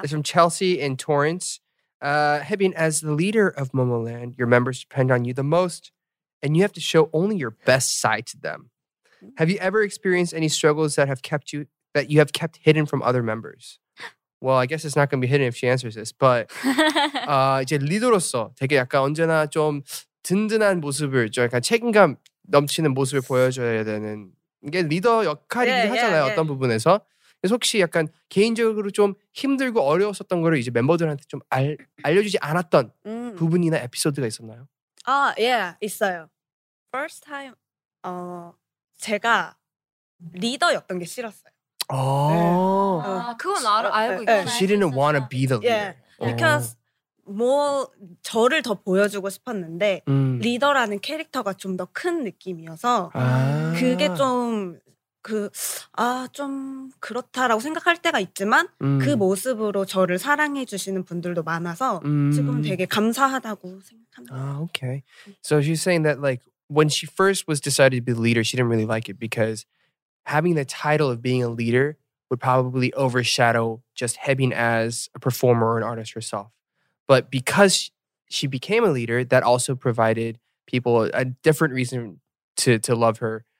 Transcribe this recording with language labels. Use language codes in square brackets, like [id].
[en] This is from Chelsea in Torrance. Hebin, as the leader of Momoland, your members depend on you the most and you have to show only your best side to them. Have you ever experienced any struggles that have kept you… that you have kept hidden from other members? Well, I guess it's not going to be hidden if she answers this. [ko] But 이제 리더로서 되게 약간 언제나 좀 든든한 모습을 좀 약간 책임감 넘치는 모습을 보여줘야 되는 게 리더 역할이긴 하잖아요. [en] Yeah. [ko] 어떤 부분에서. 그래서 혹시 약간 개인적으로 좀 힘들고 어려웠었던 거를 이제 멤버들한테 좀 알려주지 않았던 부분이나 에피소드가 있었나요? 아, 예. 있어요. [en] First time [ko] 제가 리더였던 게 싫었어요. [en] Oh. [ko] 그건 알고 있어. [en] She didn't want to be the leader. Yeah. [ko] Because 저를 더 보여주고 싶었는데 리더라는 캐릭터가 좀 더 큰 느낌이어서 그게 좀 그 아 좀 그렇다라고 생각할 때가 있지만 그 모습으로 저를 사랑해 주시는 분들도 많아서 지금 되게 감사하다고 생각합니다. [en] Okay. So she's saying that like when she first was decided to be the leader, she didn't really like it because having the title of being a leader would probably overshadow just having as a performer or an artist herself. But because she became a leader, that also provided people a different reason to love her.